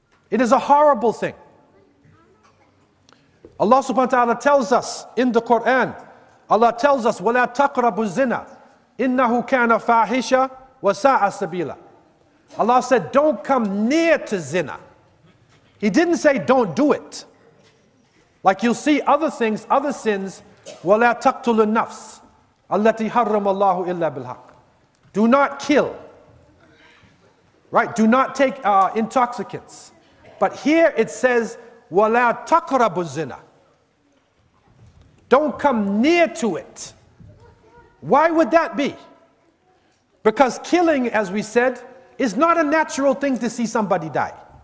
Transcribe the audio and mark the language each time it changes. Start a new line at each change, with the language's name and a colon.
English: It is a horrible thing. Allah subhanahu wa ta'ala tells us in the Quran, Allah tells us,
Arabic: وَلَا تَقْرَبُوا الزِّنَا إِنَّهُ كَانَ فَاحِشَ وَسَاءَ سَبِيلًا.
English: Allah said, don't come near to zina. He didn't say, don't do it. Like you'll see other things, other sins,
Arabic: وَلَا تَقْتُلُوا النَّفْسِ أَلَّتِي حَرَّمَ اللَّهُ إِلَّا بِالْحَقِّ.
English: Do not kill. Right? Do not take intoxicants. But here it says,
Arabic: وَلَا تَقْرَبُوا الزِّنَا.
English: Don't come near to it. Why would that be? Because killing, as we said, is not a natural thing to see somebody die.